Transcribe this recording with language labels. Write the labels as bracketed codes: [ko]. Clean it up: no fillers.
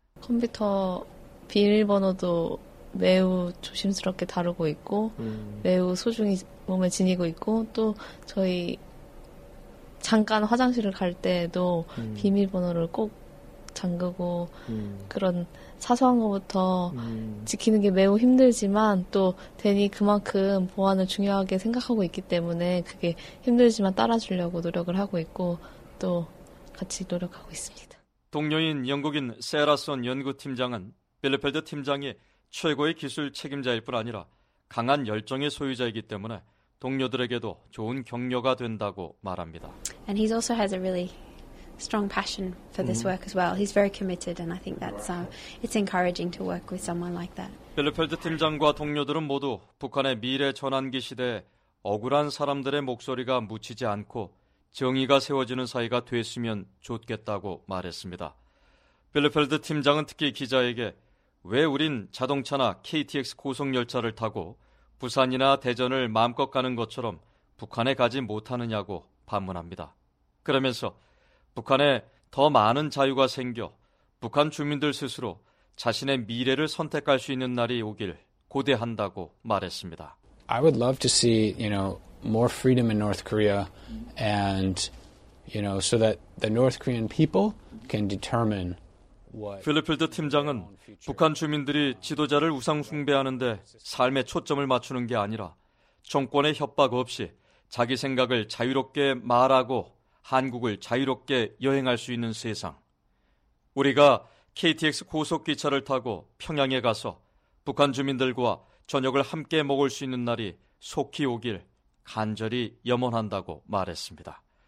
[ko] 컴퓨터 비밀번호도 매우 조심스럽게 다루고 있고 매우 소중히 몸에 지니고 있고, 또 저희 잠깐 화장실을 갈 때에도 비밀번호를 꼭 잠그고 그런 사소한 것부터 지키는 게 매우 힘들지만, 또 대니 그만큼 보안을 중요하게 생각하고 있기 때문에 그게 힘들지만 따라주려고 노력을 하고 있고 또 같이 노력하고 있습니다. 동료인 영국인 세라손 연구팀장은 빌리펠드 팀장이 최고의 기술 책임자일 뿐 아니라 강한 열정의 소유자이기 때문에 동료들에게도 좋은 격려가 된다고 말합니다. [en] And he also has a really strong passion for this work as well. He's very committed and I think that's it's encouraging to work with someone like that. [ko] 빌리펠드 팀장과 동료들은 모두 북한의 미래 전환기 시대에 억울한 사람들의 목소리가 묻히지 않고 정의가 세워지는 사이가 됐으면 좋겠다고 말했습니다. 빌리펠드 팀장은 특히 기자에게 왜 우린 자동차나 KTX 고속열차를 타고 부산이나 대전을 마음껏 가는 것처럼 북한에 가지 못하느냐고 반문합니다. 그러면서 북한에 더 많은 자유가 생겨 북한 주민들 스스로 자신의 미래를 선택할 수 있는 날이 오길 고대한다고 말했습니다. [en] I would love to see, you know, more freedom in North Korea and you know so that the North Korean people can determine what [ko] 필리펠드 팀장은 북한 주민들이 지도자를 우상 숭배하는데 삶의 초점을 맞추는 게 아니라 정권의 협박 없이 자기 생각을 자유롭게 말하고 한국을 자유롭게 여행할 수 있는 세상. 우리가 KTX 고속기차를 타고 평양에 가서 북한 주민들과 저녁을 함께 먹을 수 있는 날이 속히 오길 간절히 염원한다고 말했습니다.